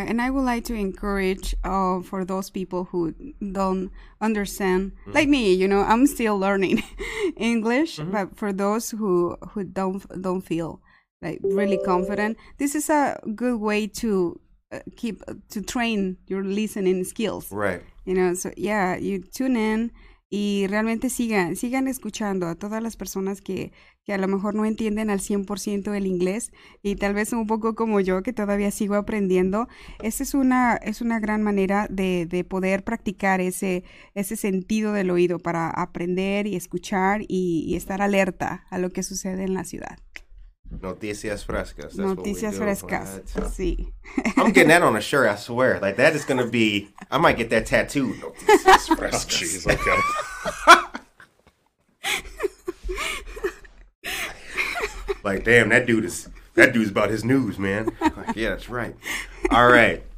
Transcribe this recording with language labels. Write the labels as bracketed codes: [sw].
[en] And I would like to encourage for those people who don't understand, like me, you know, I'm still learning English, but for those who don't feel like really confident, this is a good way to to train your listening skills. Right. You know, so yeah, you tune in. [es] Y realmente sigan escuchando a todas las personas que a lo mejor no entienden al 100% el inglés y tal vez un poco como yo que todavía sigo aprendiendo. Esa es una gran manera de poder practicar ese sentido del oído para aprender y escuchar y estar alerta a lo que sucede en la ciudad. Noticias frescas. [en] That's [es] Noticias [en] what we do. [es] Frescas. Sí. [en] I'm getting that on a shirt, I swear. Like, that is going to be... I might get that tattooed. [es] Noticias frescas. [en] Oh, jeez. Okay. Like, damn, that dude is... That dude's about his news, man. Like, yeah, that's right. All right.